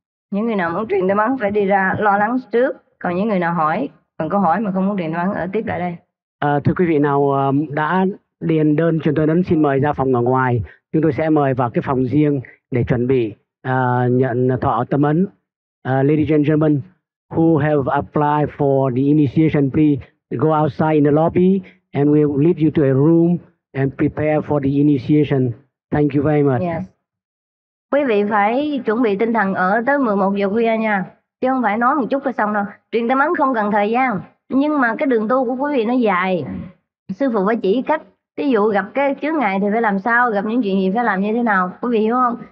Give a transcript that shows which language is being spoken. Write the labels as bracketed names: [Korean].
[Vietnamese] Những người nào muốn truyền tâm ấn phải đi ra lo lắng trước. Còn những người nào hỏi, còn câu hỏi mà không muốn truyền tâm ấn ở tiếp lại đây. À, thưa quý vị nào đã điền đơn truyền tâm ấn xin mời ra phòng ở ngoài. Chúng tôi sẽ mời vào cái phòng riêng để chuẩn bị nhận thọ tâm ấn. [English] Ladies and gentlemen, who have applied for the initiation, please go outside in the lobby and we'll lead you to a room and prepare for the initiation. Thank you very much. Yes. [Vietnamese] Quý vị phải chuẩn bị tinh thần ở tới 11 giờ khuya nha. Chứ không phải nói một chút là xong đâu. Truyền tâm ấn không cần thời gian. Nhưng mà cái đường tu của quý vị nó dài. Sư phụ phải chỉ cách. Ví dụ gặp cái chướng ngại thì phải làm sao, gặp những chuyện gì phải làm như thế nào, quý vị hiểu không?